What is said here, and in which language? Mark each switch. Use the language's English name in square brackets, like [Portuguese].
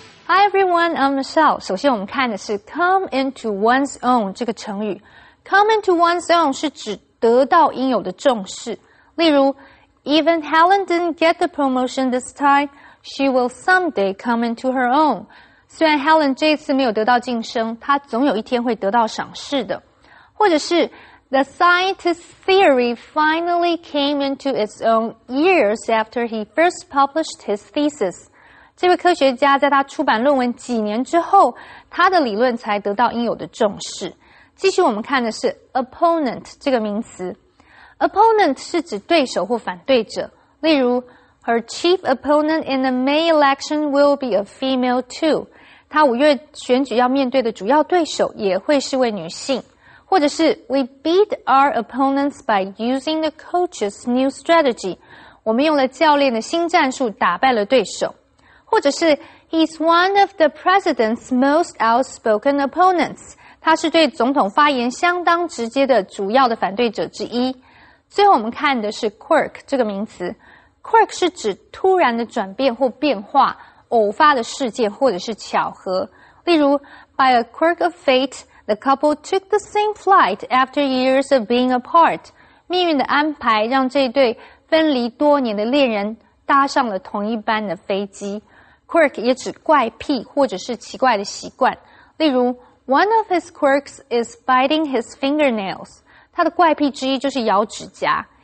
[English] Hi everyone, I'm Michelle. [Chinese] 首先我们看的是 come into one's own 这个成语。 Come into one's own 是指得到应有的重视。例如 [English] ,Even Helen didn't get the promotion this time, she will someday come into her own. [Chinese] 虽然 Helen 这一次没有得到晋升，她总有一天会得到赏识的。或者是 [English] ,The scientist's theory finally came into its own years after he first published his thesis. [Chinese] 这位科学家在他出版论文几年之后，他的理论才得到应有的重视。继续我们看的是 opponent 这个名词。opponent 是指对手或反对者。例如 [English] ,her chief opponent in the May election will be a female too. [Chinese] 他五月选举要面对的主要对手也会是位女性。或者是 [English] ,we beat our opponents by using the coach's new strategy. [Chinese] 我们用了教练的新战术打败了对手。或者是 [English] ,he's one of the president's most outspoken opponents. [Chinese] 他是对总统发言相当直接的主要的反对者之一。最后我们看的是 quirk 这个名词。quirk 是指突然的转变或变化、偶发的事件或者是巧合。例如 [English] ,by a quirk of fate, the couple took the same flight after years of being apart. [Chinese] 命运的安排让这对分离多年的恋人搭上了同一班的飞机。 Quirk 也指怪癖或者是奇怪的习惯。例如 , [English] one of his quirks is biting his fingernails. [Chinese] 他的怪癖之一就是咬指甲。